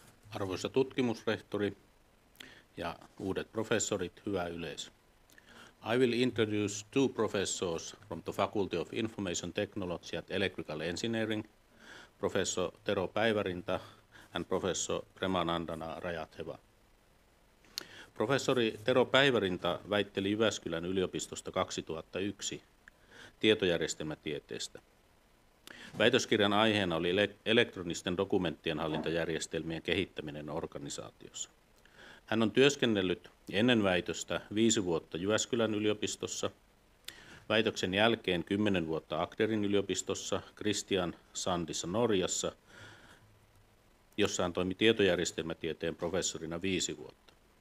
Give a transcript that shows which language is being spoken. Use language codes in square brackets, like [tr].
[fi] Arvoisa tutkimusrehtori ja uudet professorit, hyvä yleisö. [en] I will introduce two professors from the Faculty of Information Technology and Electrical Engineering, Professor Tero Päivärinta and Professor Premanandana Rajatheva. [fi] Professori Tero Päivärinta väitteli Jyväskylän yliopistosta 2001 tietojärjestelmätieteestä. Väitöskirjan aiheena oli elektronisten dokumenttien hallintajärjestelmien kehittäminen organisaatiossa. Hän on työskennellyt ennen väitöstä 5 vuotta Jyväskylän yliopistossa, väitöksen jälkeen 10 vuotta Akderin yliopistossa Christian Sandissa Norjassa, jossa hän toimi tietojärjestelmätieteen professorina 5 vuotta.